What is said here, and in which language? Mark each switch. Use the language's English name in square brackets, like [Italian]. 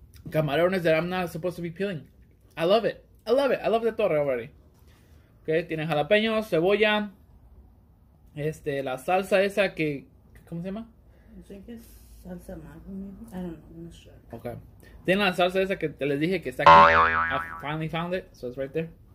[English] Camarones that I'm not supposed to be peeling. I love it. I love the torre already. [Spanish] Ok, tiene jalapeños, cebolla. Este, la salsa esa que, ¿cómo se llama? [English] I think it's salsa mango, maybe. I don't know, I'm not sure. Okay. [Spanish] Tiene la salsa esa que te les dije que está aquí. [English] I finally found it, so it's right there.